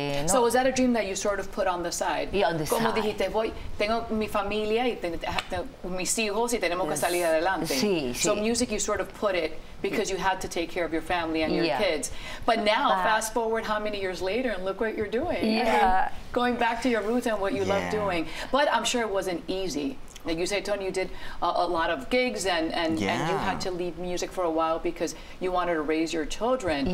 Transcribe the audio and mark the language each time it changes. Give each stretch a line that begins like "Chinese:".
English: So was that a dream that you sort of put on the side? Yeah, on the
Spanish: como
English: side.
Spanish: Dijiste, voy, tengo mi familia y tengo mis hijos y tenemos que salir adelante. Sí.
English: So music, you sort of put it because you had to take care of your family and your kids. But now, fast forward how many years later, and look what you're doing. Yeah. I mean, going back to your roots and what you love doing. But I'm sure it wasn't easy. Like you say, Tony, you did a lot of gigs and you had to leave music for a while because you wanted to raise your children.